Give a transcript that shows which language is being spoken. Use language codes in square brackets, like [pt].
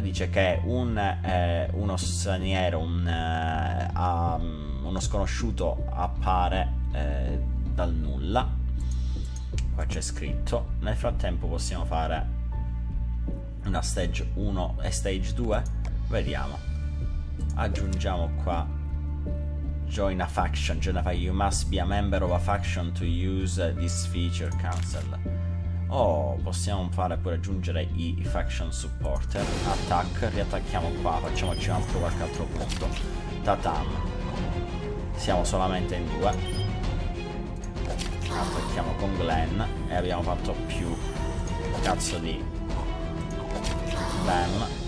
[it] Dice che uno straniero, uno sconosciuto appare dal nulla. Qua c'è scritto. Nel frattempo possiamo fare una stage 1 e stage 2. Vediamo. Aggiungiamo qua [en] join a faction. Join a fa you must be a member of a faction to use this feature cancel. [it] Oh, possiamo fare pure aggiungere i faction supporter. Attack, riattacchiamo qua, facciamoci un altro qualche altro punto. Tatam. Siamo solamente in due. Attacchiamo con Glenn e abbiamo fatto più cazzo di Bam.